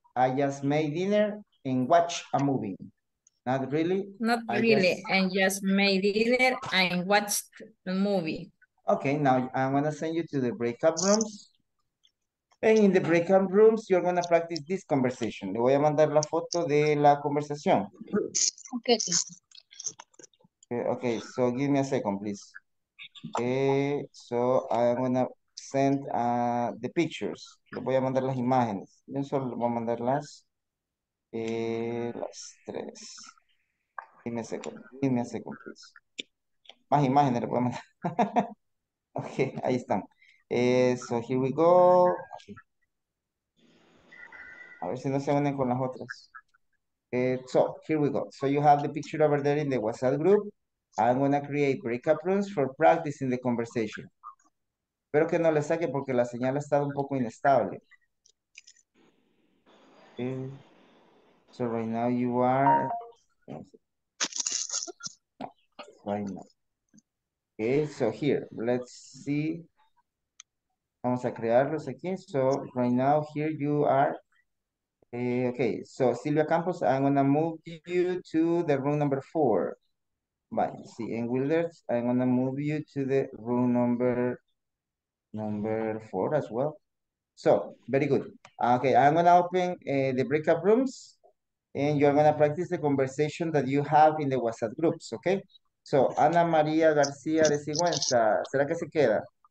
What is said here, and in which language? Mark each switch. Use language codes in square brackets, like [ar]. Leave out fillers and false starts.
[en] I just made dinner and watched a movie. Not really. Not really. And just made dinner and watched the movie. Okay, now I'm going to send you to the breakout rooms. And in the breakout rooms, you're going to practice this conversation. [es] Le voy a mandar la foto de la conversación. [en] Okay, so give me a second, please. Okay, so I'm going to send the pictures. [es] Le voy a mandar las imágenes. Yo solo le voy a mandar las. Las tres. [en] Give me a second, please. [es] Más imágenes le puedo mandar. Okay, ahí están. [en] So here we go. [es] A ver si no se unen con las otras. [en] So here we go. So you have the picture over there in the WhatsApp group. I'm going to create breakout rooms for practicing the conversation. [es] Espero que no le saque porque la señal ha estado un poco inestable. [en] So right now you are... Right now. Okay, so here, let's see. [es] Vamos a crearlos aquí. [en] So right now here you are... okay, so Silvia Campos, I'm going to move you to the room number 4. Bye. See, and Wilders, I'm going to move you to the room number 4 as well. So, very good. Okay, I'm going to open the breakout rooms, and you're going to practice the conversation that you have in the WhatsApp groups, okay? [es] So, Ana Maria Garcia de Sigüenza, ¿será que se queda?